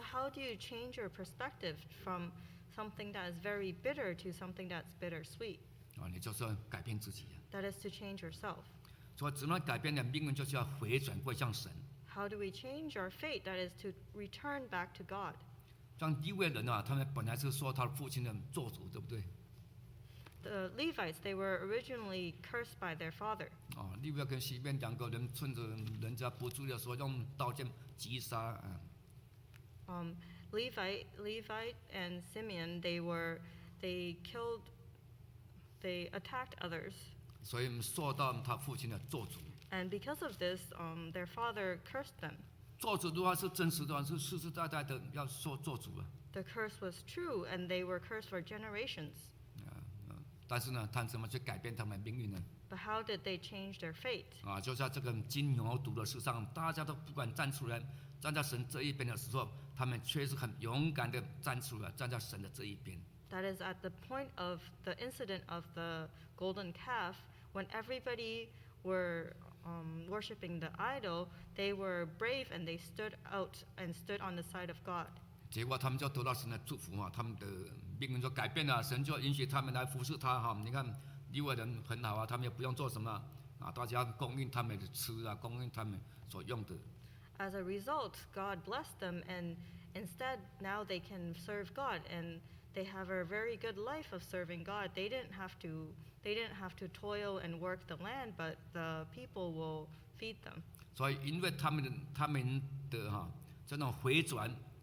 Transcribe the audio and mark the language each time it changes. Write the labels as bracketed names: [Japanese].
[English] how do you change your perspective from something that is very bitter to something that's bittersweet? [Chinese] 你就是要改变自己。 [English] That is to change yourself. [Chinese] 所以怎么改变的命运，就是要回转归向神。 [English] How do we change our fate? That is to return back to God. [Chinese] 像利未人啊，他们本来是说他父亲的咒诅，对不对？ [English] The Levites, they were originally cursed by their father. [Chinese] 利未跟西面两个人趁着人家不注意的时候，用刀剑击杀。 [English] Levite and Simeon, they attacked others. [Chinese] 所以受到他父亲的咒诅。 [English] And because of this, their father cursed them. [Chinese] 咒诅的话是真实的，是世世代代的要受咒诅啊。 [English] The curse was true, and they were cursed for generations. [Chinese] 但是呢，他怎么去改变他们命运呢？ [English] But how did they change their fate? [Chinese] 啊，就在这个金牛犊的事上，大家都不敢站出来，站在神这一边的时候，他们却是很勇敢的站出来，站在神的这一边。 [English] That is at the point of the incident of the golden calf, when everybody were worshiping the idol, they were brave and they stood out and stood on the side of God. [Chinese] 结果他们就得到神的祝福嘛，他们的命运就改变了，神就允许他们来服侍他哈。你看，利未人很好啊，他们也不用做什么啊，大家供应他们的吃啊，供应他们所用的。 [English] As a result, God blessed them, and instead now they can serve God, and they have a very good life of serving God. They didn't have to toil and work the land, but the people will feed them. [Chinese] 所以因为他们的哈这种回转。